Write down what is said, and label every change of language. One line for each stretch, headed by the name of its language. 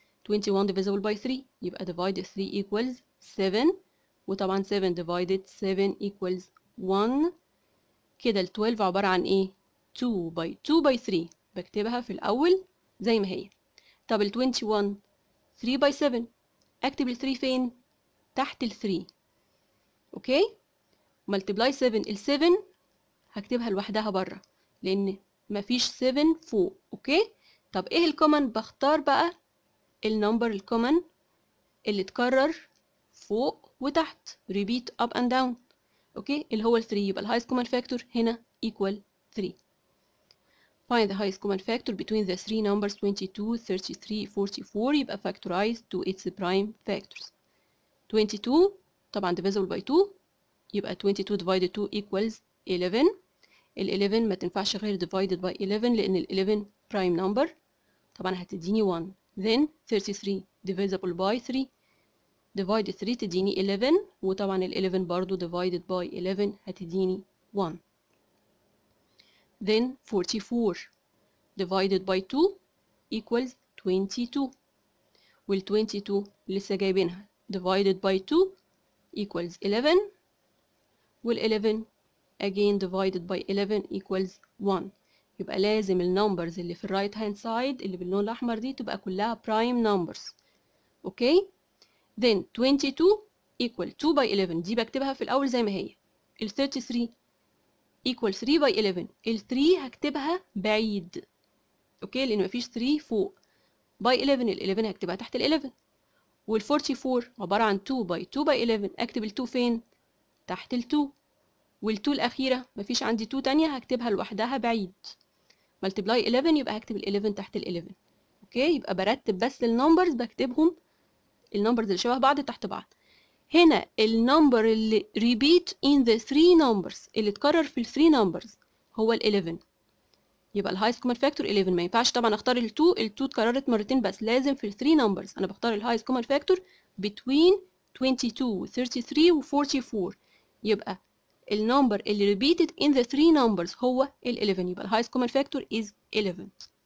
English: 21 divisible by 3 يبقى divided 3 equals 7. وطبعا 7 divided 7 equals 1.
Arabic: كده ال 12 عبارة عن ايه؟ 2 by 2 by 3 بكتبها في الاول زي ما هي. طب ال 21 3 by 7 اكتب ال 3 فين؟ تحت ال 3. اوكي؟ multiply 7 ال 7 هكتبها لوحدها برا لان مفيش 7 فوق. اوكي؟ طب ايه الكومن؟ بختار بقى النمبر الكومن اللي اتكرر فوق وتحت،
English: repeat up and down.
Arabic: اوكي؟ اللي هو 3. يبقى الهايست كومن فاكتور هنا equal 3.
English: find the highest common factor between the 3 numbers 22 33 44. يبقى factorize to its prime factors. 22 طبعا divisible by 2 يبقى 22 divided 2 equals 11.
Arabic: ال 11 ما تنفعش غير divided by 11 لأن ال 11 prime number، طبعا هتديني 1.
English: then 33 divisible by 3 divided 3 تديني 11،
Arabic: وطبعا ال 11 برضو
English: divided by 11 هتديني 1. then 44 divided by 2 equals 22. وال 22 لسه جايبينها divided by 2 equals 11. وال 11 again divided by 11 equals 1.
Arabic: يبقى لازم النمبرز اللي في الرايت هاند سايد اللي باللون الاحمر دي تبقى كلها prime numbers. اوكي؟
English: then 22 equal 2 by 11
Arabic: دي بكتبها في الاول زي ما هي. ال 33
English: equal 3 by 11.
Arabic: ال 3 هكتبها بعيد اوكي لان مفيش 3 فوق. by 11 ال 11 هكتبها تحت ال 11. وال 44 عبارة عن 2 by 2 by 11. اكتب ال 2 فين؟ تحت ال 2. وال 2 الأخيرة مفيش عندي 2 تانية هكتبها لوحدها بعيد. multiply 11 يبقى هكتب ال 11 تحت ال 11 اوكي. يبقى برتب بس ال numbers بكتبهم ال numbers اللي شبه بعض تحت بعض. هنا ال number اللي
English: repeat in the 3 numbers
Arabic: اللي اتكرر في ال 3 numbers هو ال 11. يبقى ال highest common factor 11. ما ينفعش طبعا اختار ال 2، ال 2 اتكررت مرتين بس، لازم في ال 3 numbers. انا بختار ال highest common factor between 22 33 و 44. يبقى ال number اللي
English: repeated in the 3 numbers
Arabic: هو ال 11. يبقى ال highest common factor is 11.